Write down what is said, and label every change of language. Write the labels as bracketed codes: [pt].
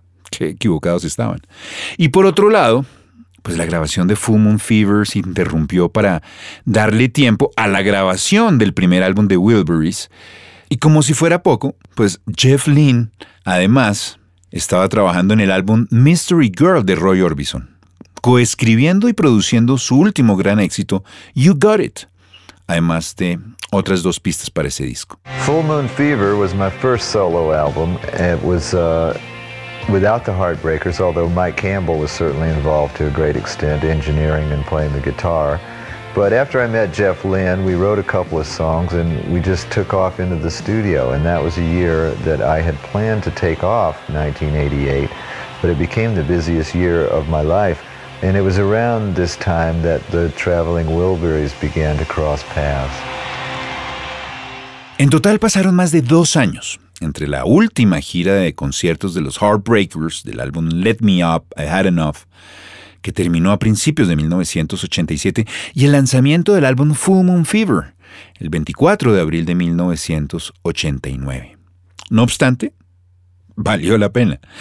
[es] Qué equivocados estaban. Y por otro lado, pues la grabación de Full Moon Fever se interrumpió para darle tiempo a la grabación del primer álbum de Wilburys. Y como si fuera poco, pues Jeff Lynne, además, estaba trabajando en el álbum Mystery Girl de Roy Orbison, coescribiendo y produciendo su último gran éxito, You Got It, además de otras 2 pistas para ese disco. [en] Full Moon Fever was my first solo album. It was without the Heartbreakers, although Mike Campbell was certainly involved to a great extent, engineering and playing the guitar. But after I met Jeff Lynne, we wrote a couple of songs and we just took off into the studio. And that was a year that I had planned to take off, 1988, but it became the busiest year of my life. And it was around this time that the Traveling Wilburys began to cross paths. [es] En total pasaron más de 2 años entre la última gira de conciertos de los Heartbreakers del álbum Let Me Up, I Had Enough, que terminó a principios de 1987, y el lanzamiento del álbum Full Moon Fever, el 24 de abril de 1989. No obstante, valió la pena.